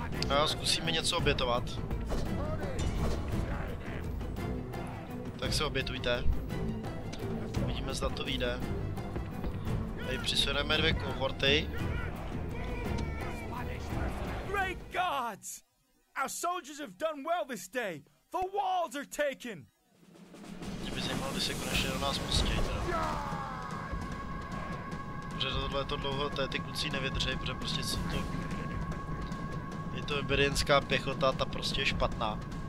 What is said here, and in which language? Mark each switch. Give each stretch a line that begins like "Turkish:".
Czech: A zkusíme něco obětovat. Tak se obětujte. Uvidíme, zda to vyjde. Tady přisuneme dvě kohorty.
English: Great gods! Our soldiers have done well this day. The walls are taken.
Czech: Mě by zajímalo, kdy se konečně do nás pustí. Protože tohle to dlouho, to ty kluci nevydrží, protože prostě jsou to... Je to iberienská pěchota, ta prostě je špatná.